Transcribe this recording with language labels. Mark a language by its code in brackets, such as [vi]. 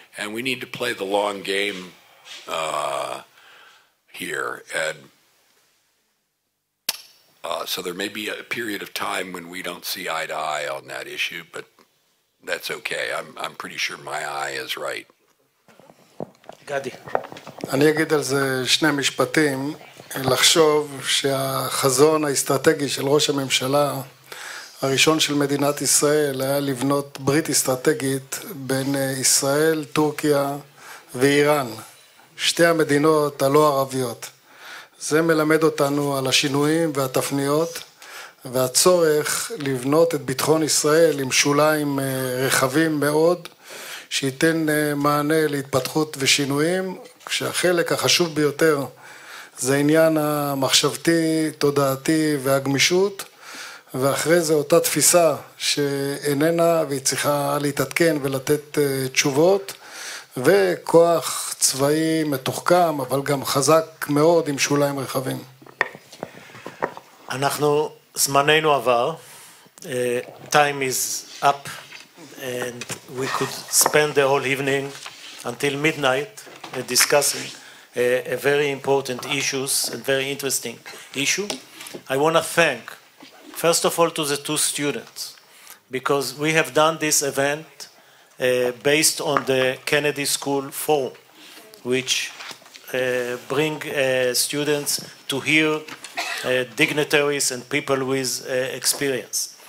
[en] And we need to play the long game here. And so there may be a period of time when we don't see eye to eye on that issue, but that's okay. I'm pretty sure my eye is right. Gadi. [he] אני אגיד על זה שני משפטים, לחשוב שהחזון האסטרטגי של ראש הממשלה, הראשון של מדינת ישראל, היה לבנות ברית אסטרטגית בין ישראל, טורקיה ואיראן, שתי המדינות הלא ערביות. זה מלמד אותנו על השינויים והתפניות והצורך לבנות את ביטחון ישראל עם שוליים רחבים מאוד שייתן מענה להתפתחות ושינויים, כשהחלק החשוב ביותר זה עניין המחשבתי, תודעתי והגמישות, ואחרי זה אותה תפיסה שאיננה והיא צריכה להתעדכן ולתת תשובות, וכוח צבאי מתוחכם, אבל גם חזק מאוד עם שוליים רחבים. אנחנו, זמננו עבר. [en] Time is up and we could spend the whole evening until midnight discussing a very important issues and very interesting issue. I want to thank, first of all, to the two students, because we have done this event based on the Kennedy School Forum, which bring students to hear dignitaries and people with experience.